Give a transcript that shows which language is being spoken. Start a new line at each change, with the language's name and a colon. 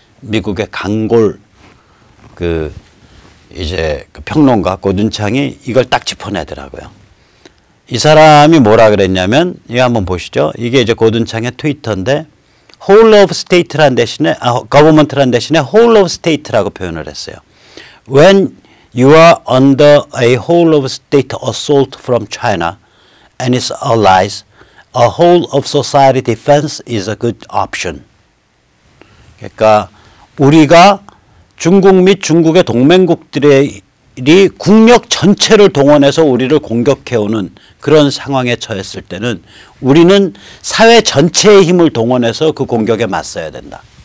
Korean: 미국의 강골 그 이제 그 평론가 고든창이 이걸 딱 짚어내더라고요. 이 사람이 뭐라 그랬냐면 이거 한번 보시죠. 이게 이제 고든창의 트위터인데 whole of state란 대신에 government란 대신에 whole of state라고 표현을 했어요.
English: When you are under a whole of state assault from China and its allies, a whole of society defense is a good option.
Korean: 그러니까 우리가 중국 및 중국의 동맹국들이 국력 전체를 동원해서 우리를 공격해오는 그런 상황에 처했을 때는 우리는 사회 전체의 힘을 동원해서 그 공격에 맞서야 된다.